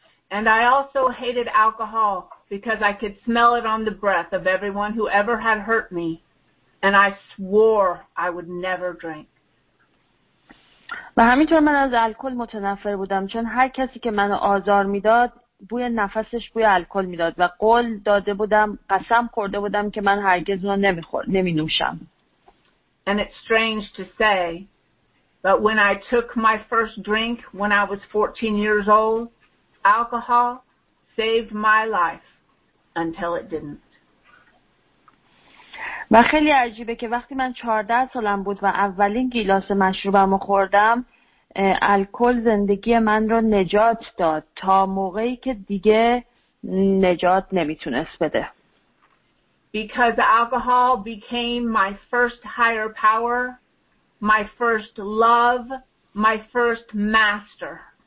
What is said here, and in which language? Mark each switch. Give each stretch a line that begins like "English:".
English: And I also hated alcohol because I could smell it on the breath of everyone who ever had hurt me. And I swore I would never drink.
Persian: و همینطور من از الکل متنفر بودم چون هر کسی که منو آزار میداد بوی نفسش بوی الکل میداد و قول داده بودم قسم خورده بودم که من هرگز اونو نمینوشم.
English: And it's strange to say, but when I took my first drink when I was 14 years old, alcohol saved my life until it didn't.
Persian: و خیلی عجیبه که وقتی من 14 سالم بود و اولین گیلاس مشروبم رو خوردم الکل زندگی من رو نجات داد تا موقعی که دیگه نجات نمیتونست بده.
English: Because alcohol became my first higher power, my first love, my first master.